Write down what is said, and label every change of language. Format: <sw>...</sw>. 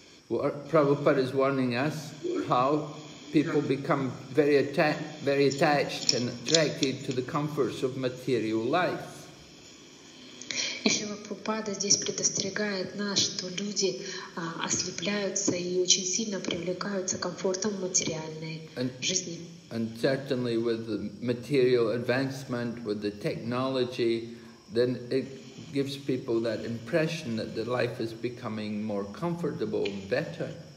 <en>Prabhupada is warning us how people become very attached and attracted to the comforts of material life.</en> <ru>Ишива Прабхупада здесь предостерегает нас, что люди ослепляются и очень сильно привлекаются к комфортам материальной жизни.</ru> <en>And certainly with the material advancement, with the technology, then it gives people that impression that the life is becoming more comfortable, better.</en>